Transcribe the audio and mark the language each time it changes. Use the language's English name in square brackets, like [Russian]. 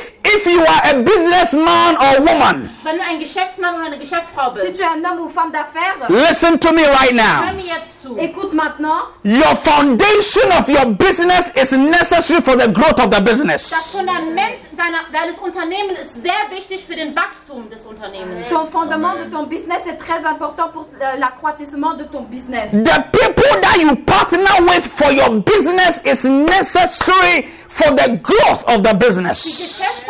[English] If you are a businessman or woman, [German] wenn du ein Geschäftsmann oder eine Geschäftsfrau bist, [French] si tu es un homme ou femme d'affaires, [English] listen to me right now. [French] Écoute maintenant. [English] Your foundation of your business is necessary for the growth of the business. [German] Das Fundament deines Unternehmens ist sehr wichtig für den Wachstum des Unternehmens. [French] Ton fondement de ton business est très important pour l'accroissement de ton business. [English] The people that you partner with for your business is necessary for the growth of the business.